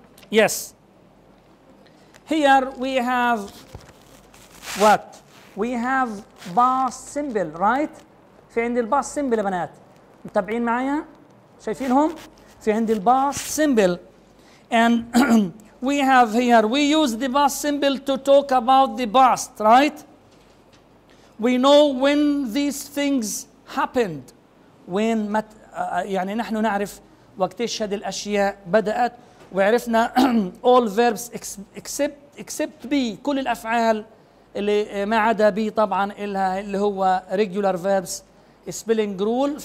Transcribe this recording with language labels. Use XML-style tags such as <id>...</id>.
<en>Yes. Here we have what? We have past simple, right?</en> <ar>في عندي past simple يا بنات. متابعين معايا؟ شايفينهم؟ في عندي past simple.</ar> <en>And we have here, we use the past simple to talk about the past, right? We know when these things happened.</en> <ar>When يعني نحن نعرف وقت ايش هذه الأشياء بدأت. وعرفنا</ar> <en>all verbs except be,</en> <ar>كل الأفعال اللي ما عدا be طبعا إلها اللي هو</ar> <en>regular verbs, spelling rule.</en>